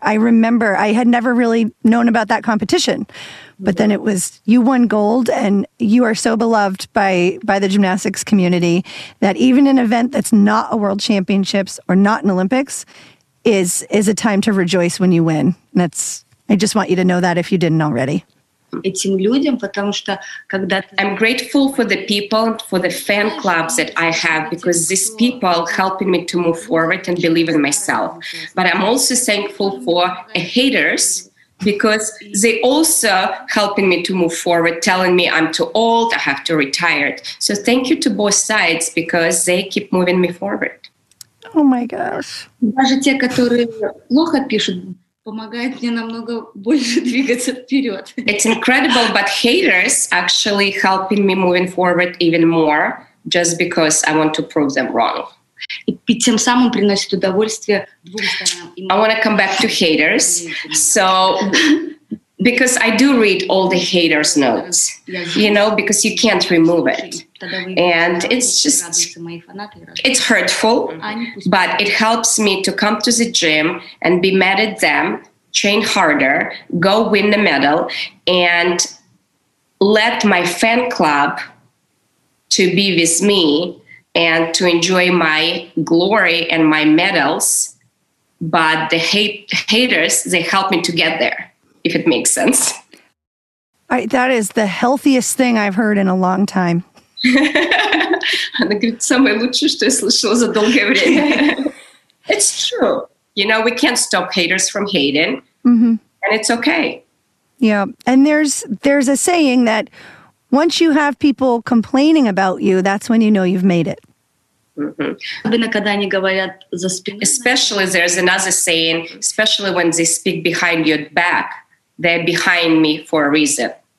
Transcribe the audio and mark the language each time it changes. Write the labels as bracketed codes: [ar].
[en] I remember I had never really known about that competition, but then it was, you won gold and you are so beloved by the gymnastics community that even an event that's not a World Championships or not an Olympics is a time to rejoice when you win. That's, I just want you to know that if you didn't already. [ru] Этим людям, потому что когда [en] I'm grateful for the people, for the fan clubs that I have, because these people helping me to move forward and believe in myself. But I'm also thankful for haters, because they also helping me to move forward, telling me I'm too old, I have to retire. So thank you to both sides, because they keep moving me forward. Oh my gosh. [ru] Даже те, которые плохо пишут, помогает мне намного больше двигаться вперед. [en] It's incredible, but haters actually helping me moving forward even more, just because I want to prove them wrong. [ru] И тем самым приносит удовольствие двум сторонам. [en] I want to come back to haters. So, because I do read all the haters' notes, you know, because you can't remove it. And it's just, it's hurtful, but it helps me to come to the gym and be mad at them, train harder, go win the medal, and let my fan club to be with me and to enjoy my glory and my medals. But the haters, they help me to get there, if it makes sense. That is the healthiest thing I've heard in a long time. [ru] Она говорит, самое лучшее, что я слышала за долгое время. [en] It's true. You know, we can't stop haters from hating. Mm-hmm. And it's okay. Yeah. And there's a saying that once you have people complaining about you, that's when you know you've made it. Mm-hmm. Especially there's another saying, especially when they speak behind your back, they're behind me for a reason.